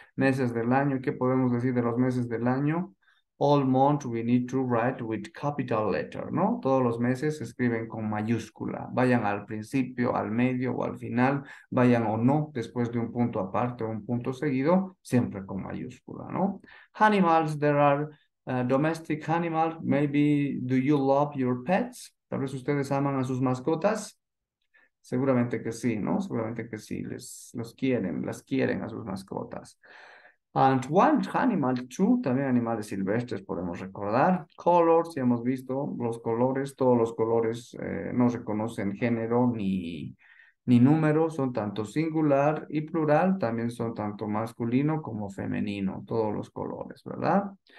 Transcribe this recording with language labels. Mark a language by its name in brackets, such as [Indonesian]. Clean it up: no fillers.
[Spanish] Meses del año, ¿qué podemos decir de los meses del año? [English] All month we need to write with capital letter, [Spanish] ¿no? Todos los meses se escriben con mayúscula. Vayan al principio, al medio o al final, vayan o no, después de un punto aparte o un punto seguido, siempre con mayúscula, ¿no? [English] Animals, there are domestic animals. Maybe do you love your pets? [Spanish] Tal vez ustedes aman a sus mascotas. Seguramente que sí, ¿no? Seguramente que sí, las quieren a sus mascotas. [English] And wild animal too, [Spanish] también animales silvestres podemos recordar. Colors, ya hemos visto los colores, todos los colores no reconocen género ni número, son tanto singular y plural, también son tanto masculino como femenino, todos los colores, ¿verdad?